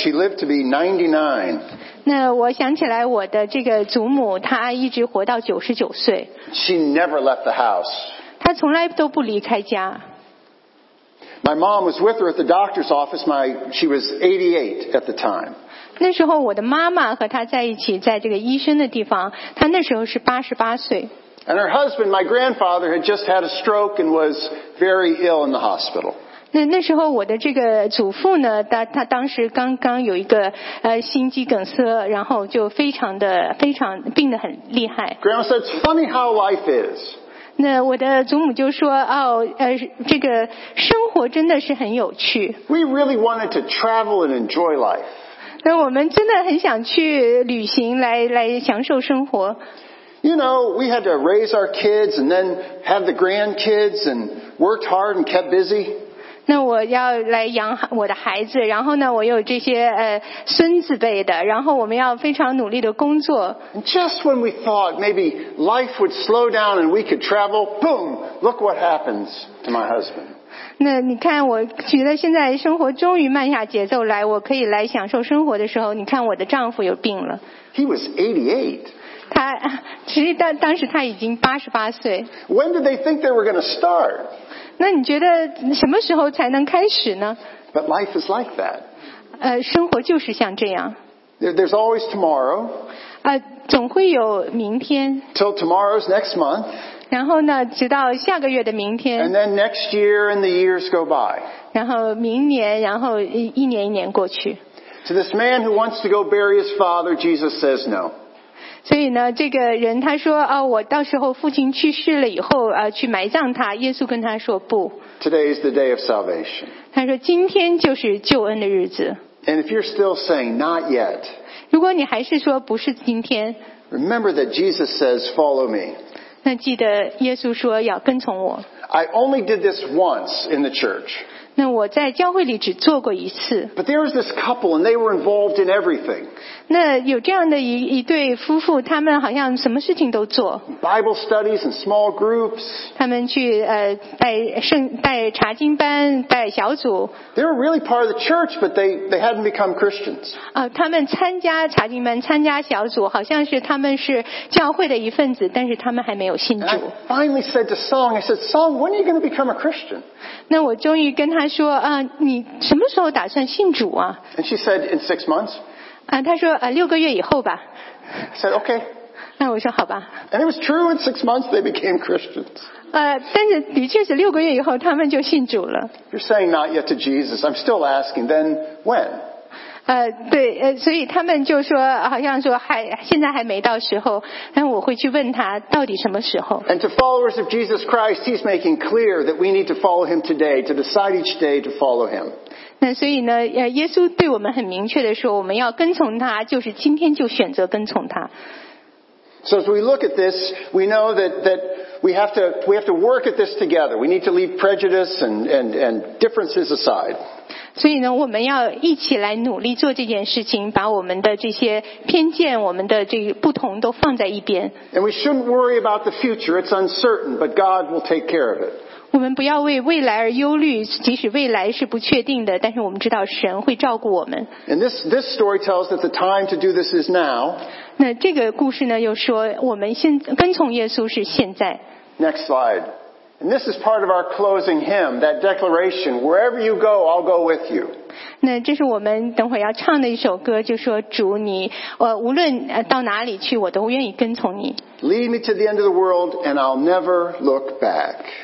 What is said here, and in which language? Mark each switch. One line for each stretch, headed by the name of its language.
English: She lived to be 99.
Chinese: 那我想起来我的这个祖母，她一直活到99岁。
English: She never left the house.
Chinese: 她从来都不离开家。
English: My mom was with her at the doctor's office. She was 88 at the time.
Chinese: 那时候我的妈妈和她在一起，在这个医生的地方，她那时候是88岁。
English: And her husband, my grandfather, had just had a stroke and was very ill in the hospital.
Chinese: 那时候我的这个祖父呢，他当时刚刚有一个心肌梗塞，然后就非常病得很厉害。
English: Grandma said, "It's funny how life is."
Chinese: 那我的祖母就说，哦，这个生活真的是很有趣。
English: We really wanted to travel and enjoy life.
Chinese: 那我们真的很想去旅行来享受生活。
English: You know, we had to raise our kids and then have the grandkids and worked hard and kept busy.
Chinese: 那我要来养我的孩子，然后呢，我有这些孙子辈的，然后我们要非常努力的工作。
English: And just when we thought maybe life would slow down and we could travel, boom, look what happens to my husband.
Chinese: 那你看，我觉得现在生活终于慢下节奏来，我可以来享受生活的时候，你看我的丈夫有病了。
English: He was 88.
Chinese: 他其实当时他已经88岁。
English: When did they think they were going to start?
Chinese: 那你觉得什么时候才能开始呢？
English: But life is like that.
Chinese: 生活就是像这样。
English: There's always tomorrow.
Chinese: 总会有明天。
English: Till tomorrow's next month.
Chinese: 然后呢，直到下个月的明天。
English: And then next year and the years go by.
Chinese: 然后明年，然后一年一年过去。
English: To this man who wants to go bury his father, Jesus says no.
Chinese: 所以呢，这个人他说啊，我到时候父亲去世了以后啊，去埋葬他。耶稣跟他说不。
English: Today is the day of salvation.
Chinese: 他说今天就是救恩的日子。
English: And if you're still saying not yet,
Chinese: 如果你还是说不是今天
English: ，Remember that Jesus says, "Follow me."
Chinese: 那记得耶稣说要跟从我。
English: I only did this once in the church.
Chinese: 那我在教会里只做过一次。
English: But there was this couple, and they were involved in everything.
Chinese: 那有这样的一对夫妇，他们好像什么事情都做。
English: Bible studies and small groups.
Chinese: 他们去带查经班，带小组。
English: They were really part of the church, but they hadn't become Christians.
Chinese: 他们参加查经班，参加小组，好像是他们是教会的一份子，但是他们还没有信主。
English: And I finally said to Song, I said, Song, when are you going to become a Christian?
Chinese: 那我终于跟他说啊，你什么时候打算信主啊？
English: And she said, in 6 months.
Chinese: 他说六个月以后吧。
English: I said, okay.
Chinese: 那我说好吧。
English: And it was true, in 6 months they became Christians.
Chinese: 但是的确是六个月以后他们就信主了。
English: You're saying not yet to Jesus. I'm still asking, then when?
Chinese: 对，所以他们就说好像说现在还没到时候，但我会去问他到底什么时候。
English: And to followers of Jesus Christ, he's making clear that we need to follow him today, to decide each day to follow him.
Chinese: 那所以呢，耶稣对我们很明确的说，我们要跟从他，就是今天就选择跟从他。
English: So as we look at this, we know that we have to work at this together. We need to leave prejudice and differences aside.
Chinese: 所以呢，我们要一起来努力做这件事情，把我们的这些偏见，我们的这个不同都放在一边。
English: And we shouldn't worry about the future. It's uncertain, but God will take care of it.
Chinese: 我们不要为未来而忧虑，即使未来是不确定的，但是我们知道神会照顾我们。
English: And this story tells that the time to do this is now.
Chinese: 那这个故事呢，又说我们现跟从耶稣是现在。
English: Next slide. And this is part of our closing hymn, that declaration, wherever you go, I'll go with you.
Chinese: 那这是我们等会要唱的一首歌，就说主你，无论到哪里去，我都愿意跟从你。
English: Lead me to the end of the world, and I'll never look back.